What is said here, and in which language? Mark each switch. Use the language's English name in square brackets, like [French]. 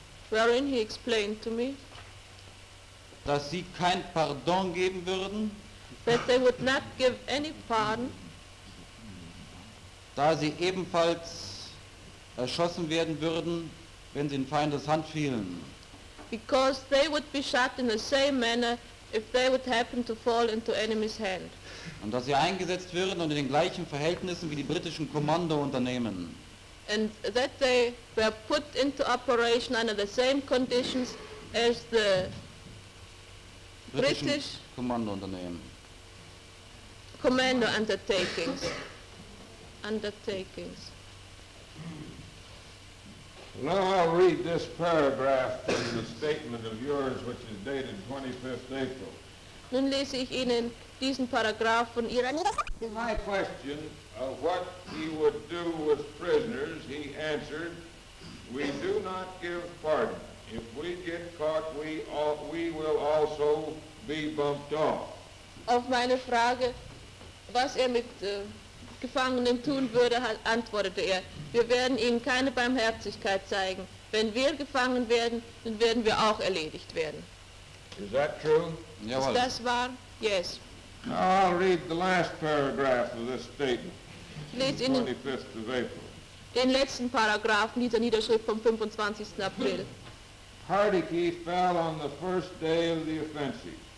[English] Wherein he explained to me. [German] Dass sie kein Pardon geben würden. [English] That they would not give any pardon. [German] Da sie ebenfalls erschossen werden würden, wenn sie in Feindes Hand fielen. [English] Because they would be shot in the same manner if they would happen to fall into enemy's hand. [German] Und dass sie eingesetzt würden unter den gleichen Verhältnissen wie die britischen Kommandounternehmen. [English] And that they were put into operation under the same conditions as the British [German] Kommandounternehmen. [English] Commando undertakings. Now I'll read this paragraph from the statement of yours, which is dated 25th April. [German] Nun lese ich Ihnen diesen Paragraph von Ihrer Niederschrift. [English] My question of what he would do with prisoners, he answered, we do not give pardon. If we get caught, we will also be bumped off. [German] Auf meine Frage, was er mit Gefangenen tun würde, antwortete er, wir werden ihnen keine Barmherzigkeit zeigen. Wenn wir gefangen werden, dann werden wir auch erledigt werden. [English] Is that true? [German] Jawohl. Ist das wahr? [English] Yes. I'll read the last paragraph of this statement. [German] Lest [English] the 25th of April. [German] Den letzten Paragraphen dieser Niederschrift vom 25. April. [English] Hardiki fell on the first day of the offensive.